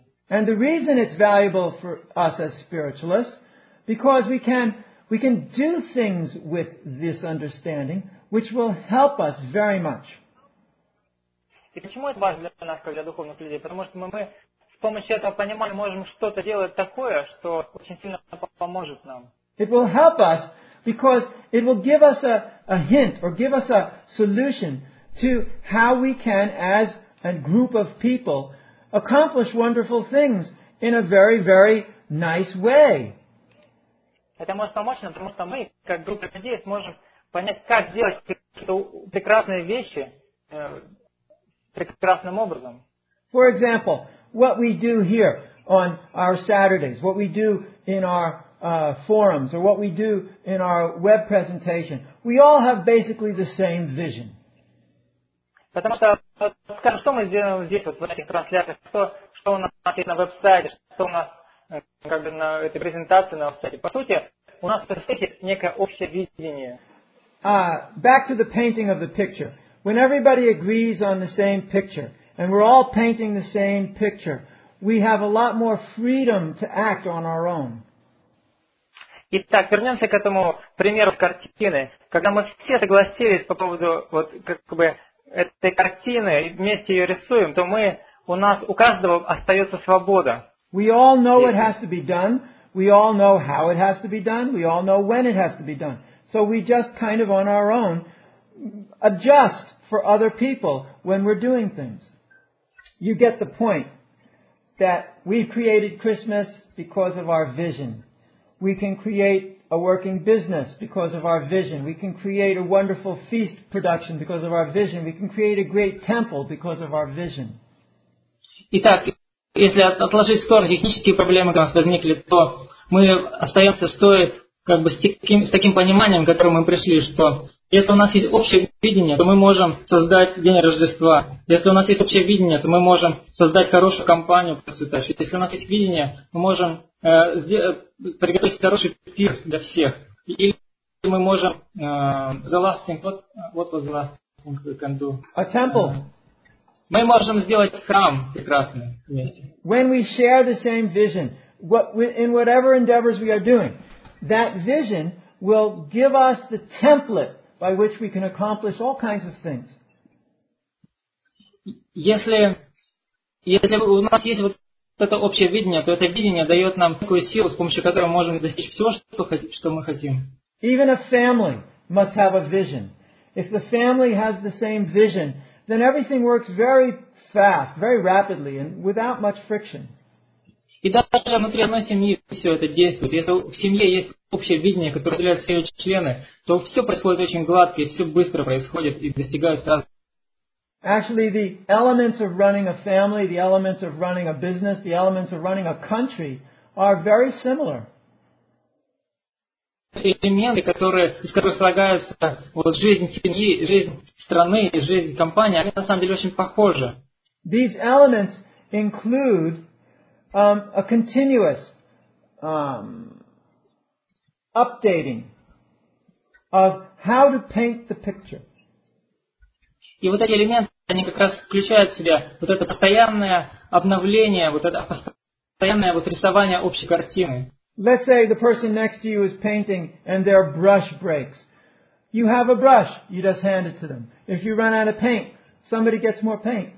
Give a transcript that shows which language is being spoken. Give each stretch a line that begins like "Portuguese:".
English: And the reason it's valuable for us as spiritualists, because we can do things with this understanding, which will help us very much.
Russian: И почему это важно для нас, как для духовных людей? Потому что мы с помощью этого понимания можем что-то делать такое, что очень сильно поможет нам.
English: It will help us because it will give us a hint or give us a solution to how we can, as a group of people, accomplish wonderful things in a very, very nice way.
Russian: Это может помочь нам, потому что мы, как группа людей, сможем понять, как сделать какие-то прекрасные вещи прекрасным образом.
English: For example, what we do here on our Saturdays, what we do in our forums, or what we do in our web presentation, we all have basically the same vision.
Russian: Потому что, скажем, что мы сделаем здесь, вот в этих трансляциях, что у нас есть на веб-сайте, что у нас на этой презентации на веб-сайте. По сути, у нас есть некое общее видение.
English: Back to the painting of the picture. When everybody agrees on the same picture, and we're all painting the same picture, we have a lot more freedom to act on our own.
Russian: Итак, вернемся к этому примеру с картины. Когда мы все согласились по поводу, этой картины, вместе ее рисуем, то мы, у нас, у каждого остается свобода.
English: We all know what has to be done, we all know how it has to be done, we all know when it has to be done. So we just on our own adjust for other people when we're doing things. You get the point that we created Christmas because of our vision. We can create a working business because of our vision. We can create a wonderful feast production because of our vision. We can create a great temple because of our vision.
Russian: Итак, если отложить в сторону технические проблемы, которые у нас возникли, то мы остаемся с таким пониманием, к которому мы пришли, что если у нас есть общее видение, то мы можем создать день Рождества. Если у нас есть общее видение, то мы можем создать хорошую компанию процветающую. Если у нас есть видение, мы можем приготовить хороший пир для всех. Или мы можем
English: the last thing, what was the last thing we can do? A temple.
Russian: Мы можем сделать храм прекрасным вместе.
English: When we share the same vision, in whatever endeavors we are doing, that vision will give us the template by which we can accomplish all kinds of things.
Russian: Если у нас есть вот это общее видение, то это видение дает нам такую силу, с помощью которой мы можем достичь всего, что мы хотим.
English: Even a family must have a vision. If the family has the same vision, then everything works very fast, very rapidly, and without much friction.
Russian: И даже внутри одной семьи все это действует. Если в семье есть общее видение, которое разделяют все ее члены, то все происходит очень гладко, и все быстро происходит, и достигают сразу.
English: Actually, the elements of running a family, the elements of running a business, the elements of running a country are very similar.
Russian: Элементы, из которых слагаются вот, жизнь семьи, жизнь страны и жизнь компании, они на самом деле очень похожи.
English: These elements include a continuous updating of how to paint the picture.
Russian: И вот эти элементы, они как раз включают в себя вот это постоянное обновление, вот это постоянное вот рисование общей картины.
English: Let's say the person next to you is painting and their brush breaks. You have a brush, you just hand it to them. If you run out of paint, somebody gets more paint.